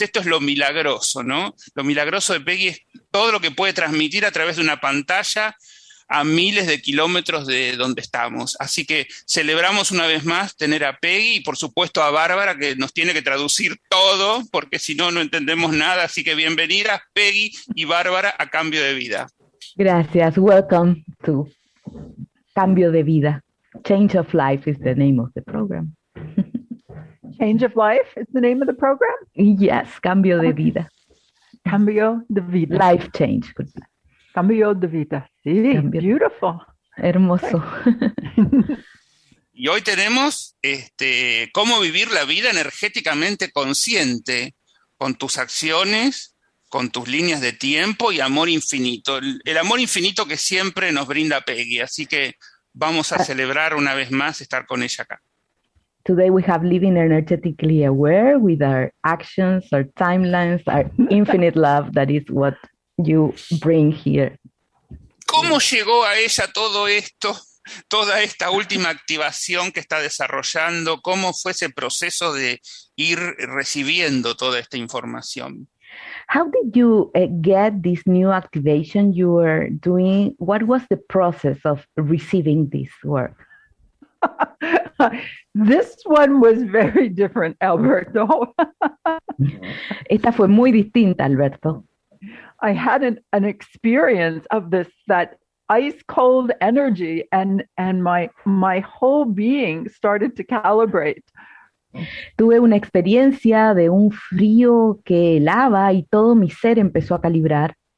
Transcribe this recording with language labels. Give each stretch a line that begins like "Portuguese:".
Spanish: Esto es lo milagroso, ¿no? Lo milagroso de Peggy es todo lo que puede transmitir a través de una pantalla a miles de kilómetros de donde estamos. Así que celebramos una vez más tener a Peggy y, por supuesto, a Bárbara, que nos tiene que traducir todo, porque si no, no entendemos nada. Así que bienvenidas, Peggy y Bárbara, a Cambio de Vida.
English: Gracias. Welcome to Cambio de Vida. Change of Life is the name of the program. Change of Life is the name of the program? Yes, Cambio de Vida.
Spanish: Cambio de Vida.
English: Life Change.
Spanish: Cambio de Vida. Sí, cambio. Beautiful. Hermoso. Y hoy tenemos cómo vivir la vida energéticamente consciente, con tus acciones, con tus líneas de tiempo y amor infinito. El amor infinito que siempre nos brinda Peggy. Así que vamos a celebrar una vez más estar con ella acá.
English: Today we have living energetically aware with our actions, our timelines, our infinite love. That is what you bring here.
Spanish: ¿Cómo llegó a ella todo esto, toda esta última activación que está desarrollando? ¿Cómo fue ese proceso de ir recibiendo toda esta información?
English: How did you get this new activation you were doing? What was the process of receiving this work? This one was very different, Alberto.
Spanish: Esta fue muy distinta, Alberto.
English: I had an experience of this, that ice cold energy, and my whole being started to calibrate.
Spanish: Tuve una experiencia de un frío que helaba y todo mi ser empezó a calibrar.